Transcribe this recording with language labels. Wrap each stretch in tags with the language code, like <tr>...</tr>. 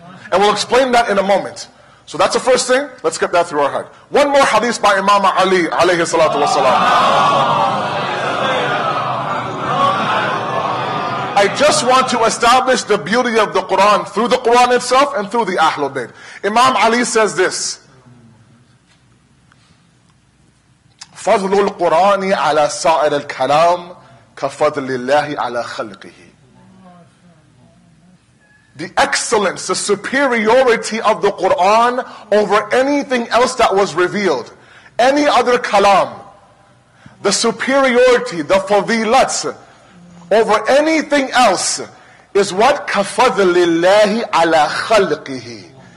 <en>And we'll explain that in a moment. So that's the first thing. Let's get that through our head. One more hadith by Imam Ali, alayhi salatu wasalam. I just want to establish the beauty of the Quran through the Quran itself and through the Ahlul Bayt. Imam Ali says this,</en> <ar>فَضْلُ الْقُرَانِ عَلَى سَائِرِ الْكَلَامِ كَفَضْلِ اللَّهِ عَلَى خَلْقِهِ.</ar> <en>The excellence, the superiority of the Quran over anything else that was revealed, any other kalam, the superiority, the fadilat, over anything else is what</en> <ar>kafadlillahi ala khalqihi.</ar>